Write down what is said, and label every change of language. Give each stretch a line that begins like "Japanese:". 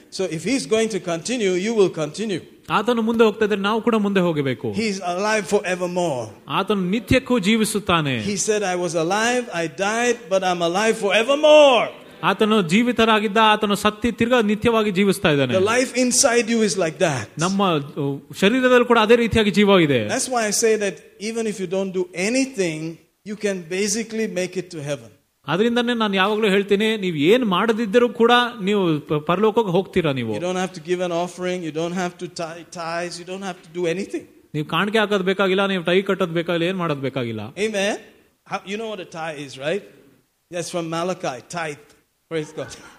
English: So if he is going to continue, you will continue.
Kannada: ಆತನು ಮುಂದೆ ಹೋಗ್ತಾ ಇದ್ರೆ ನಾವು ಕೂಡ ಮುಂದೆ ಹೋಗಬೇಕು.
English: He is alive forevermore.
Kannada: ಆತನು ನಿತ್ಯಕ್ಕೂ ಜೀವಿಸುತ್ತಾನೆ.
English: He said, I was alive, I died, but I'm alive forevermore.
Kannada: ಆತನು ಜೀವಿತರಾಗಿದ್ದ, ಆತನು ಸತ್ತಿ ತಿರ್ಗಾ ನಿತ್ಯವಾಗಿ ಜೀವಿಸ್ತಾ ಇದ್ದಾನೆ.
English: The life inside you is like that.
Kannada: ನಮ್ಮ ಶರೀರದಲ್ಲಿ ಕೂಡ ಅದೇ ರೀತಿಯಾಗಿ ಜೀವ ಇದೆ.
English: That's why I say that even if you don't do anything, you can basically make it to heaven.
Kannada: ಅದರಿಂದನೇ ನಾನು ಯಾವಾಗಲೂ ಹೇಳ್ತೀನಿ, ನೀವು ಏನ್ ಮಾಡದಿದ್ದರೂ ಕೂಡ ನೀವು ಪರಲೋಕಕ್ಕೆ ಹೋಗ್ತೀರಾ. ನೀವು
English: You don't have to give an offering, you don't have to tithes, you don't have to do anything.
Kannada: ನೀವು ಕಾಣಿಕೆ ಹಾಕೋದು ಬೇಕಾಗಿಲ್ಲ, ನೀವು ಟೈ ಕಟ್ಟೋದು ಬೇಕಾಗಿಲ್ಲ, ಏನ್ ಮಾಡೋದು ಬೇಕಾಗಿಲ್ಲ.
English: Amen. You know what a tithe is, right? Yes, from Malachi, tithe. Praise God.